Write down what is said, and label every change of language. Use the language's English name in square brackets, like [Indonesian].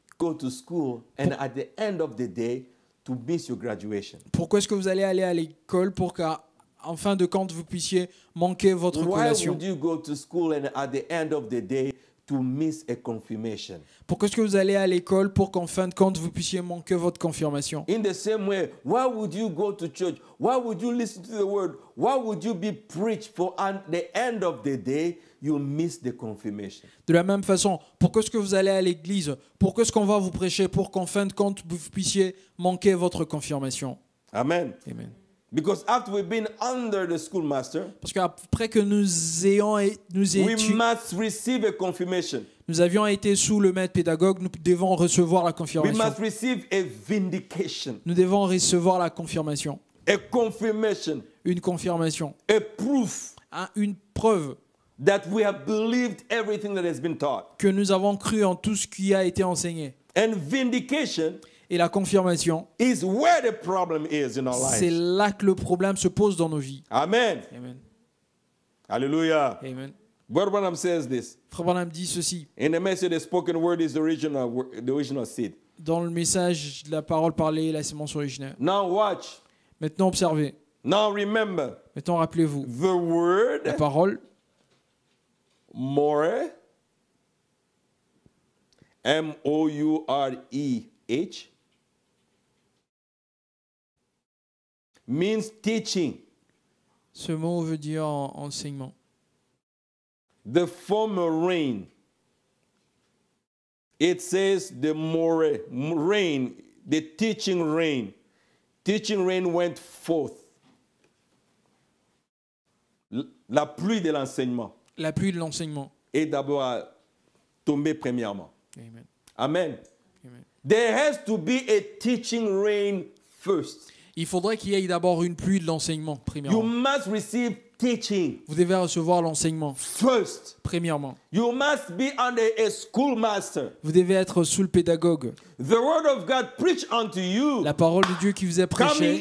[English] Go to school and at the end of the day. To miss your graduation. [French] Pourquoi est-ce que vous allez aller à l'école pour qu'à en fin de compte vous puissiez manquer votre collation? [English] Why would you go to school and at the end of the day to miss a confirmation? [French] Pourquoi est-ce que vous allez à l'école pour qu'en fin de compte vous puissiez manquer votre confirmation? [English] In the same way, why would you go to church? Why would you listen to the word? Why would you be preached for at the end of the day? You miss the confirmation. [French] De la même façon, pourquoi est-ce que vous allez à l'église? Pourquoi est-ce qu'on va vous prêcher pour qu'en fin de compte vous puissiez manquer votre confirmation? Amen. Amen. [English] Because after we've been under the schoolmaster, [French] parce qu'après que nous avions été sous le maître pédagogue, nous devons recevoir la confirmation. [English] We must receive a vindication. [French] Nous devons recevoir la confirmation. [English] A confirmation. [French] Une confirmation. [English] A proof. [French] Une preuve. [English] That we have believed everything that has been taught. [French] Que nous avons cru en tout ce qui a été enseigné. [English] And vindication. [French] Et la confirmation. [English] Is where the problem is in our lives. [French] C'est là que le problème se pose dans nos vies. Amen. Amen. Hallelujah. Amen. [English] Brother Branham says this. [French] Frère Branham dit ceci. [English] In the message, the spoken word is the original seed. [French] Dans le message, la parole parlée, la semence originaire. [English] Now watch. [French] Maintenant observez. [English] Now remember. [French] Maintenant rappelez-vous. [English] The word. [French] La parole. [English] More, M-O-U-R-E-H, means teaching. [French] Ce mot veut dire enseignement. [English] The former rain, it says the more rain, the teaching rain. Teaching rain went forth. [French] La pluie de l'enseignement. La pluie de l'enseignement est d'abord tombée premièrement. Amen. Amen. Amen. [English] There has to be a teaching rain first. [French] Il faudrait qu'il y ait d'abord une pluie de l'enseignement premièrement. [English] You must receive teaching. [French] Vous devez recevoir l'enseignement [English] first. [French] Premièrement. [English] You must be under a schoolmaster. [French] Vous devez être sous le pédagogue. [English] The word of God preached unto you. [French] La parole de Dieu qui vous est prêchée.